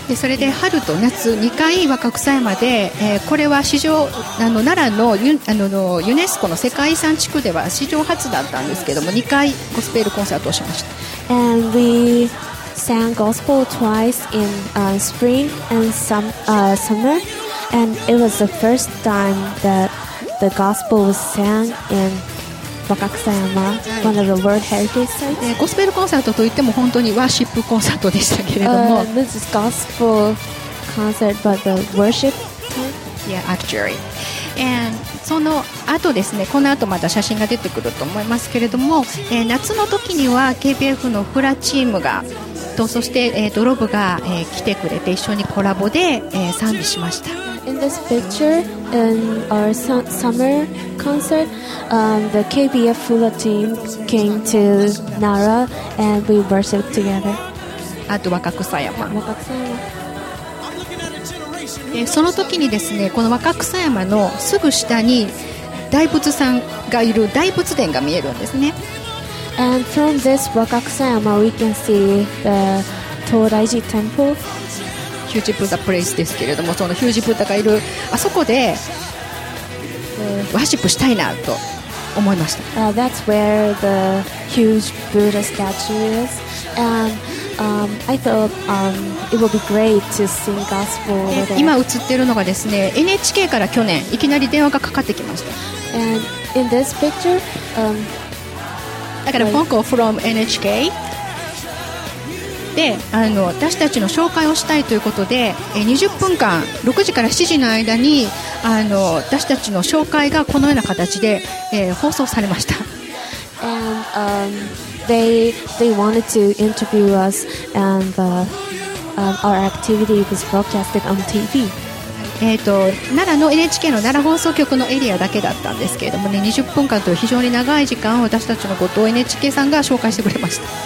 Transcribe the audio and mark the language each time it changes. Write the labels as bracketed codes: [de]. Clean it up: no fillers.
[ja] で、それで春と夏2回Wakakusayama で、これは史上、あの、奈良の、あの、ユネスコの世界遺産地区では史上初だったんですけども、2回ゴスペルコンサートをしました。 [en] And we sang gospel twice in spring and summer, and it was the first time that the gospel was sang in Wakakusayama, one of the World Heritage Sites. [ja] ゴスペルコンサートといっても本当にワーシップコンサートでしたけれども、 [en] This is gospel concert, but the worship type? Yeah, actually. [ja] And その後ですね、この後また写真が出てくると思いますけれども、夏の時には KPF のフラチームがと、そして、ドロブが、来てくれて一緒にコラボで、賛美しました。 [en] In this picture, in our summer concert, the KBF Fula team came to Nara and we worshiped together. [ja] あと若草山、若草山、その時にですね、この若草山のすぐ下に大仏さんがいる大仏殿が見えるんですね。 [en] And from this Wakakusayama, we can see the Todaiji Temple. Huge Buddha place [ja] ですけれども、その Huge Buddha がいるあそこでワーシップしたいなと思いました。 [en] That's where the Huge Buddha statue is. And I thought it would be great to sing gospel there. [ja] 今映ってるのがですね、NHK から去年いきなり電話がかかってきました。 [en] And in this picture, [ja] だからフォンコー from NHK で、あの、私たちの紹介をしたいということで、20分間6時から7時の間に、あの、私たちの紹介がこのような形で、放送されました。 [en] And, they wanted to interview us and our activity was broadcasted on TV. [ja] 奈良の NHK の奈良放送局のエリアだけだったんですけれどもね、20分間という非常に長い時間を私たちのことを NHK さんが紹介してくれました。